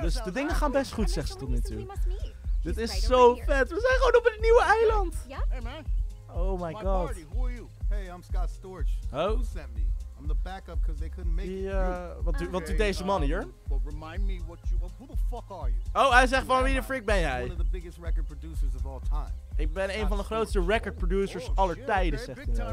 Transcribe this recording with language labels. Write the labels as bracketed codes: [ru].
[nl] Dus de dingen gaan best goed, zegt ze tot nu toe. Dit is zo vet. We zijn gewoon op een nieuwe eiland. [en] Hey man. Oh my god. Hey, I'm Scott Storch. Who sent me? I'm the backup because they couldn't make it. [nl] Wat doet deze man hier? [en] But remind me what you who the fuck are you? [nl] Oh, hij zegt van wie de freak ben jij? [en] One of the biggest record producers of all time. [nl] Ik ben een van de grootste record producers aller tijden, zegt hij.